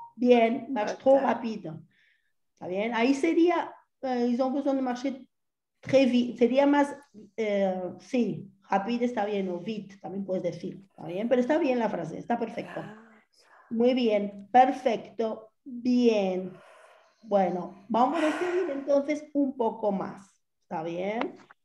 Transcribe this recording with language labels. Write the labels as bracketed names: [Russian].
[Spanish] Bien, [French] marche trop [Spanish] rápido. ¿Está bien? Ahí sería, [French] ils ont besoin de marcher très vite. [Spanish] Sería más, sí, rápido está bien, o vite también puedes decir. ¿Está bien? Pero está bien la frase, está perfecto. Muy bien, perfecto. Bien. Bueno, vamos a seguir entonces un poco más. ¿Está bien?